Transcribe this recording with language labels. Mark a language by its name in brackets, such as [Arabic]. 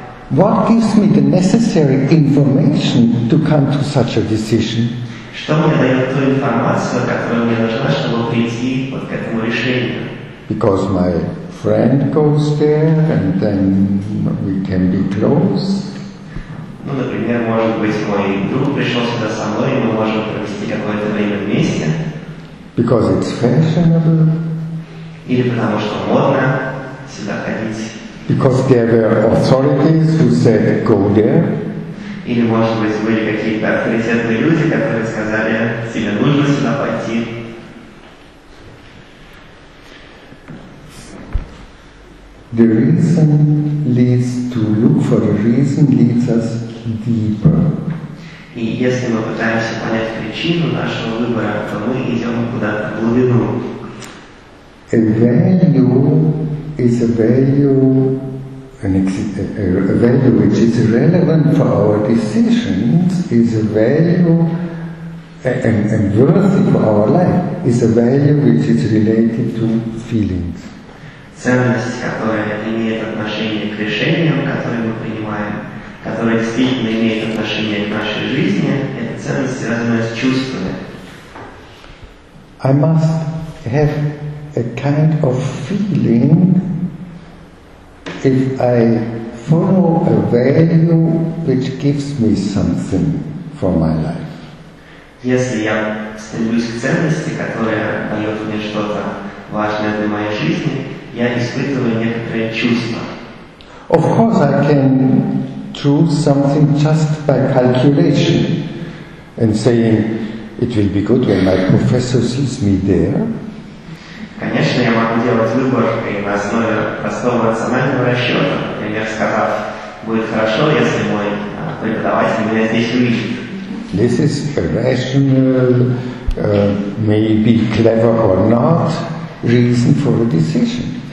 [English] What gives me the necessary information to come to such a decision? [Russian] Что мне дает ту информацию, которую мне нужна, чтобы прийти вот к этому решению? [English] Because my friend goes there, and then we can be close. [Russian] Ну, например, может быть, мой друг пришел сюда со мной, и мы можем провести какое-то время вместе. [English] Because it's fashionable. [Russian] Или потому что модно сюда ходить. [English] Because there were authorities who said, go there. [Russian] Или, может быть, были какие-то авторитетные люди, которые сказали, тебе нужно сюда пойти. [English] The reason leads to look for the reason leads us deeper. [Russian] И если мы пытаемся понять причину нашего выбора, то мы идем куда-то в глубину. [English] A value is a value. A value which is relevant for our decisions is a value and worthy for our life is a value which is related to feelings. [Russian] Ценность, которая имеет отношение к решениям, которые мы принимаем, которая действительно имеет отношение к нашей жизни, это ценность, связанная с чувствами. [English] I must have a kind of feeling. If I follow a value which gives me something for my life. [Russian] Если я стремлюсь к ценности, которая дает мне что-то важное для моей жизни, я испытываю некоторые чувства. [English] Of course I can choose something just by calculation and saying it will be good when my professor sees me there. [Russian] Конечно, я могу делать выбор на основе простого рационального расчета, например, сказав, будет хорошо, если мой преподаватель меня здесь увидит. [English] This is rational, maybe clever or not, reason for a decision.